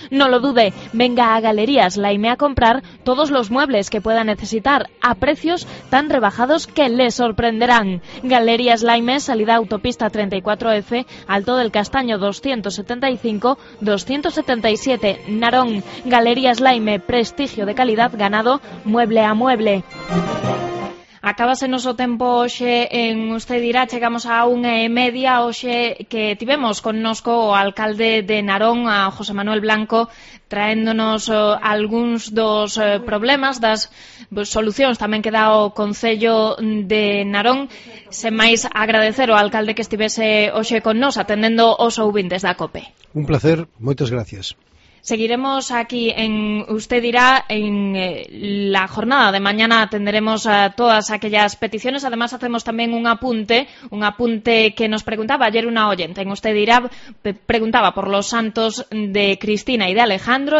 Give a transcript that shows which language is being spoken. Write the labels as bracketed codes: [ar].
[es] No lo dude, venga a Galerías Laime a comprar todos los muebles que pueda necesitar a precios tan rebajados que les sorprenderán. Galerías Laime, salida autopista 34F, Alto del Castaño 275-277, Narón. Galerías Laime, prestigio de calidad ganado, mueble a mueble. [gl] Acábase noso tempo hoxe en Usted Dirá, chegamos a 1:30 hoxe que tivemos connosco o alcalde de Narón, a José Manuel Blanco, traéndonos algúns dos problemas, das solucións tamén que dá o Concello de Narón. Sen máis agradecer ao alcalde que estivese hoxe connos atendendo os ouvintes da COPE. Un placer, moitas gracias. [es] Seguiremos aquí en, usted dirá, en la jornada de mañana atenderemos a todas aquellas peticiones. Además, hacemos también un apunte que nos preguntaba ayer una oyente. En usted dirá, preguntaba por los santos de Cristina y de Alejandro.